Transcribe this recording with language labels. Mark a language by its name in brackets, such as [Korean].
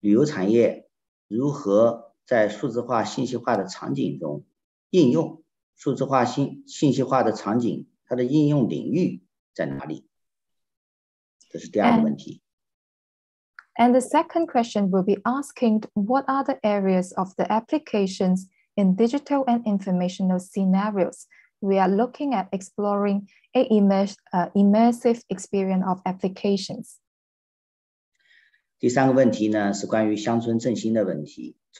[Chinese] 第二个问题呢，就是关于沉浸式的问题，旅游产业如何 在数字化信息化的场景中应用数字化信息化的场景，它的应用领域在哪里？这是第二个问题。 [English] And the second question will be asking what are the areas of the applications in digital and informational scenarios we are looking at exploring a immersive experience of applications. [Chinese] 第三个问题呢，是关于乡村振兴的问题。